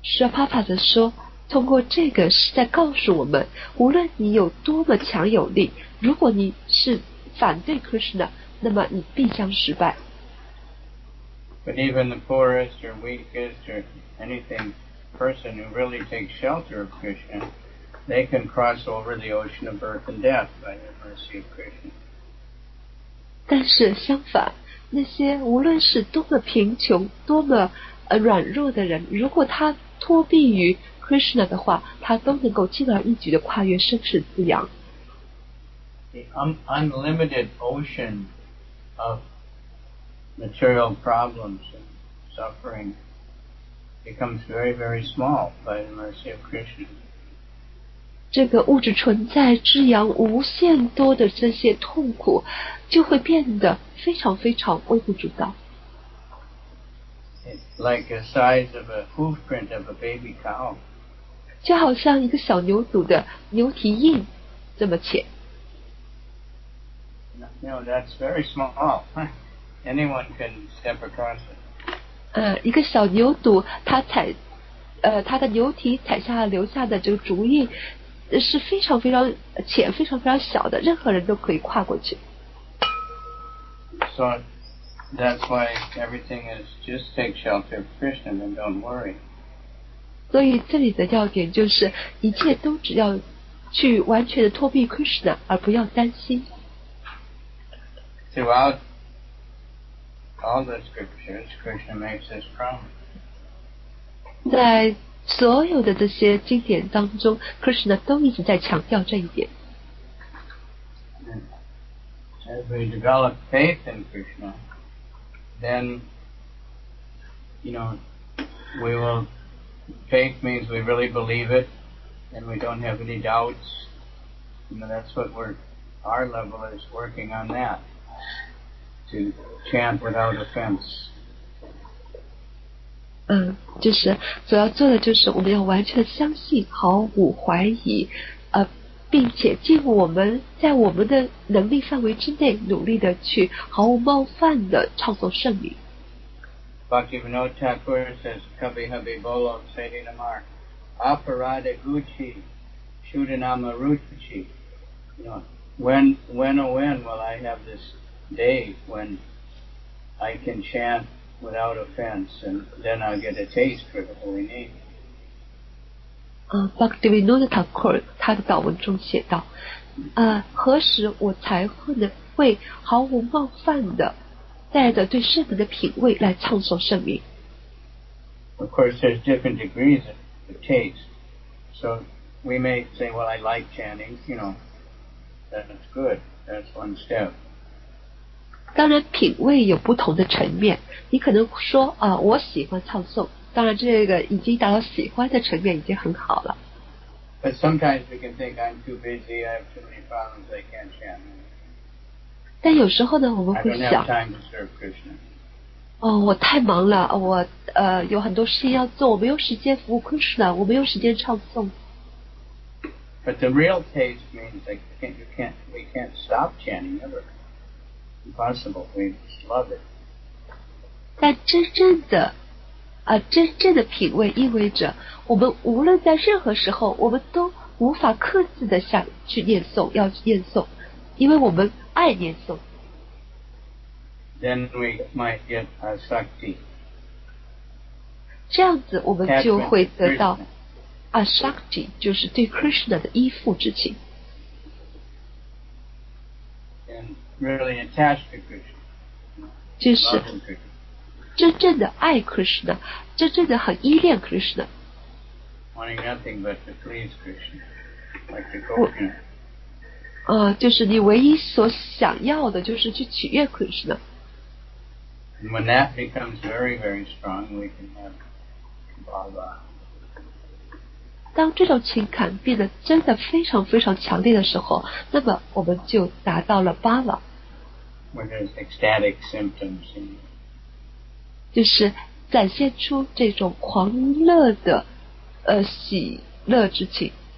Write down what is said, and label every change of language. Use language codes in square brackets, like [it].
[zh] Prabhupada 说，通过这个是在告诉我们，无论你有多么强有力，如果你是反对 Krishna， 那么你必将失败。 [en] But even the poorest or weakest or anything person who really takes shelter of Krishna, they can cross over the ocean of birth and death by the mercy of Krishna. [zh] 但是相反，那些无论是多么贫穷、多么软弱的人，如果他托庇于 Krishna 的话，他都能够轻而易举地跨越生死之洋。 [en] The unlimited ocean of material problems and suffering becomes very, very small by the mercy of Krishna. [zh] 这个物质存在滋养无限多的这些痛苦，就会变得非常非常微不足道。 [en] It's like the size of a hoofprint of a baby cow. [zh] 就好像一个小牛犊的牛蹄印这么浅。 [en] No, that's very small. Anyone can step across it. [zh] 一个小牛犊，它的牛蹄踩下留下的这个足印。是非常非常浅，非常非常小的，任何人都可以跨过去。 [en] So that's why everything is just take shelter of Krishna and don't worry. [zh] 所以这里的要点就是一切都只要去完全的脱避 Krishna 而不要担心。 [en] Throughout all the scriptures, Krishna makes this promise. [zh] 在所有的这些经典当中 Krishna 都一直在强调这一点。 [en] As we develop faith in Krishna, then you know we will faith means we really believe it and we don't have any doubts. You know, that's what we're our level is working on that to chant without offense. [zh] 就是主要做的就是我们要完全相信毫无怀疑并且尽我们在我们的能力范围之内努力的去毫无冒犯的唱诵圣名。 [en] Bhaktivinoda Thakur says [bn] Kabhi Habi Bolo Sedi Namar Aparada Guchi Shudanama Ruchi, [en] you know, when oh when will I have this day when I can chantwithout offense and then I'll get a taste for the holy name. [zh] Bhaktivinoda Thakur 他的祷文中写道何时我才会毫无冒犯的带着对圣名的品味来唱诵圣名。 [en] Of course there's different degrees of taste. So we may say, well, I like chanting, you know, that's good, that's one step. [zh] 当然品味有不同的层面，你可能说我喜欢唱诵，当然这个已经达到喜欢的层面已经很好了。 [en] But sometimes we can think I'm too busy, I have too many problems, I can't chant. [zh] 但有时候呢我们会想 [en] I don't have time to serve Krishna. [zh] 我太忙了，我有很多事情要做，我没有时间服务 Krishna, 我没有时间唱诵。 [en] But the real taste means that we can't stop chanting ever. Impossible. We just love it. [zh] 但真正的品味意味着我们无论在任何时候，我们都无法克制的想去念诵，要去念诵，因为我们爱念诵。 [en] Then we might get a shakti. [zh] 这样子我们就会得到 a shakti, 就是对 Krishna 的依附之情。 [en] Really attached to Krishna, [zh] 就是真正的爱 Krishna, 真正的很依恋 Krishna, [en] wanting nothing but to please Krishna, like the gopis. [zh] 就是你唯一所想要的就是去取悦 Krishna. [en] And when that becomes very, very strong, we can have Baba. [zh] 当这种情感变得真的非常非常强烈的时候，那么我们就达到了 Baba. [en] When there's ecstatic symptoms, and [zh] 就是展现出这种狂乐的喜乐之情。